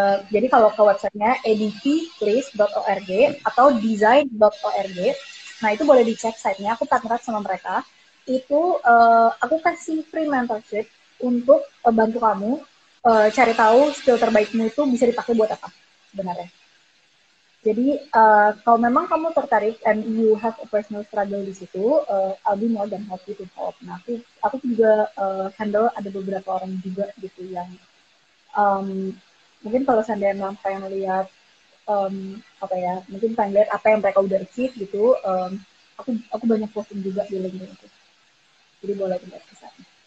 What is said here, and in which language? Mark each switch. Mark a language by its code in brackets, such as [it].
[id] Jadi kalau ke websitenya edityList.org atau design.org, nah itu boleh dicek site-nya. Aku partner up sama mereka itu, aku kasih free mentorship untuk bantu kamu cari tahu skill terbaikmu itu bisa dipakai buat apa sebenarnya. Jadi kalau memang kamu tertarik [en] and you have a personal struggle [id] di situ, [en] I'll be more than happy to help. [id] Nah, aku juga handle ada beberapa orang juga gitu yang mungkin kalau seandainya memang pengen lihat apa ya, mungkin pengen lihat apa yang mereka udah receive gitu, aku banyak posting juga di LinkedIn itu. Jadi boleh dilihat ke sana.